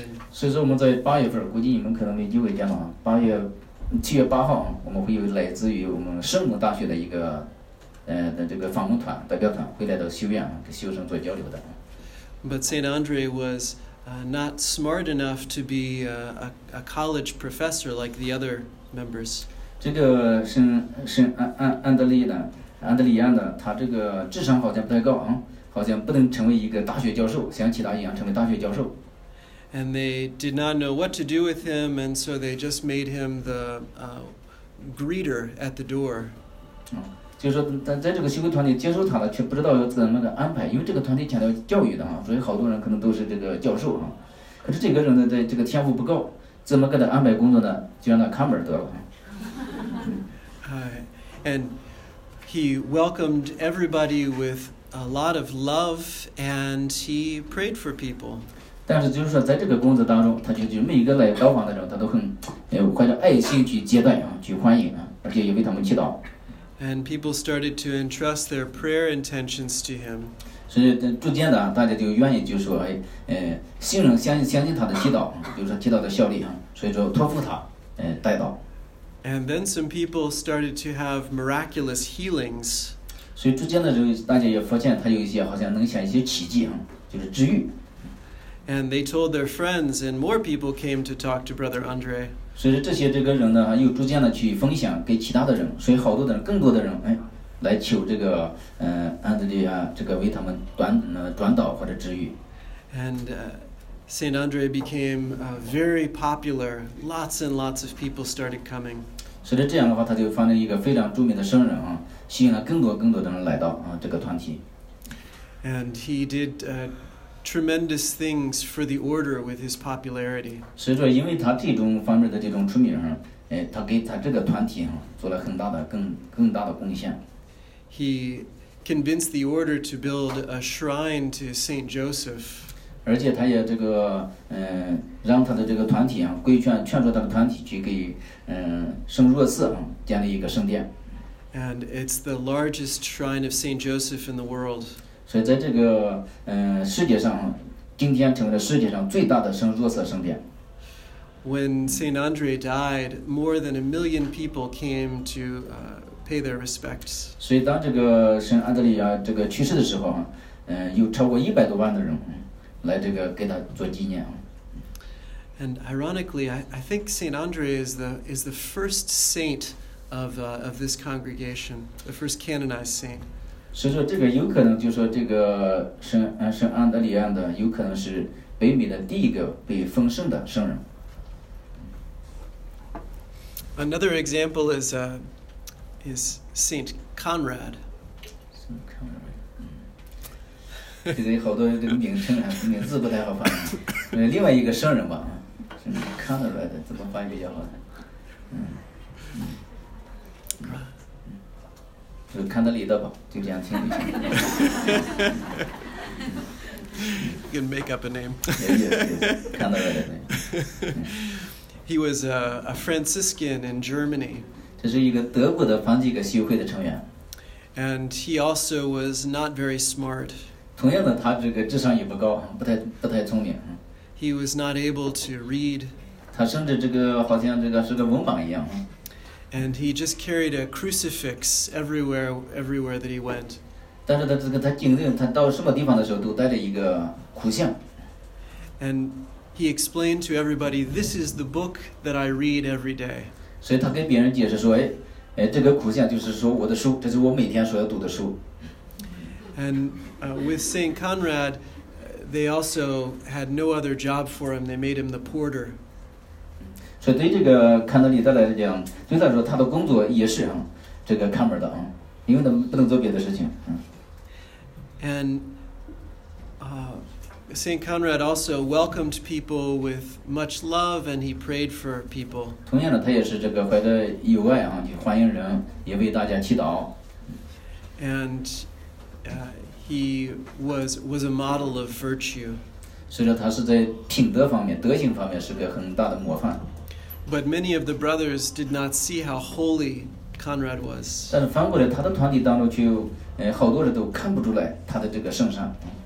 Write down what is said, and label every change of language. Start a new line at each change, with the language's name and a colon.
Chinese: 所以说我们在八月份，估计你们可能没机会见到。7月8号，我们会有来自于我们圣母大学的一个，的这个访问团代表团会来到修院跟修生做交流的。
English: But Saint Andre was not smart enough to be a college professor like the other members.
Chinese: 这个圣安德利安的，他这个智商好像不太高好像不能成为一个大学教授，像其他一样成为大学教授。
English: And they did not know what to do with him, and so they just made him the greeter at the door.
Chinese: 就是说，在这个修会团体接受他了，却不知道要怎么的安排，因为这个团体强调教育的所以好多人可能都是这个教授可是这个人呢，在这个天赋不够，怎么给他安排工作呢？就让他看门得了。
English: And he welcomed everybody with a lot of love, and he prayed for people.
Chinese: 但是就是说，在这个工作当中，他就每一个来到访的人，他都很怀着爱心去接待去欢迎而且也为他们祈祷。
English: And people started to entrust their prayer intentions to him.
Chinese: 所以逐渐的，大家就愿意就说，信任相信他的祈祷，就是祈祷的效力所以说托付他，带到。
English: And then some people started to have miraculous healings.
Chinese: 所以逐渐的时候，大家也发现他有一些好像能显一些奇迹就是治愈。
English: And they told their friends, and more people came to talk to Brother Andre.
Chinese: 所以这些这个人呢，又逐渐的去分享给其他的人，所以好多的人，更多的人，来求这个安德烈啊，这个为他们转导或者治愈。
English: And Saint Andre became very popular. Lots and lots of people started coming.
Chinese: 所以这样的话，他就成了一个非常著名的圣人吸引了更多的人来到这个团体。
English: And he did tremendous things for the order with his popularity.
Chinese: 所以说，因为他这种方面的这种出名他给他这个团体做了很大的更大的贡献。
English: He convinced the order to build a shrine to Saint Joseph.
Chinese: 而且他也这个让他的这个团体啊，规劝劝说他的团体去给圣若瑟啊建立一个圣殿。
English: And it's the largest shrine of Saint Joseph in the world.
Chinese: 所以在这个世界上，今天成为了世界上最大的圣若瑟圣殿。
English: When Saint Andre died, more than 1 million people came to pay their respects.
Chinese: 所以当这个圣安德烈啊这个去世的时候啊，有超过100多万的人来这个给他做纪念。
English: And ironically, I think Saint Andre is the first saint of this congregation, the first canonized saint.
Chinese: 所以说这个有可能就是说这个圣安德烈安的有可能是北美的第一个被封圣的圣人。
English: Another example is Saint Conrad. You can make up a name. Conrad. He was a Franciscan in Germany.
Chinese: 这是一个德国的梵蒂冈修会的成员。
English: And he also was not very smart.
Chinese: 同样的，他这个智商也不高，不太聪明。
English: He was not able to read.
Chinese: 他甚至这个好像这个是个文盲一样。
English: And he just carried a crucifix everywhere that he went.
Chinese: 但是他这个他经历他到什么地方的时候都带着一个苦像。
English: And he explained to everybody, "This is the book that I read every day."
Chinese: 所以他跟别人解释说，这个苦相就是说我的书，这是我每天所要读的书。
English: And with Saint Conrad, they also had no other job for him. They made him the porter.
Chinese: 所以对这个康德利再来讲，对他来说，他的工作也是这个看门的因为他不能做别的事情。
English: And Saint Conrad also welcomed people with much love, and he prayed for people.
Chinese: 同样的，他也是这个怀着友爱去欢迎人，也为大家祈祷。
English: And he was a model of virtue.
Chinese: 所以说，他是在品德方面、德行方面是个很大的模范。
English: But many of the brothers did not see how holy Conrad was.
Chinese: 但是反过来，他的团体当中却有好多人都看不出来他的这个圣善。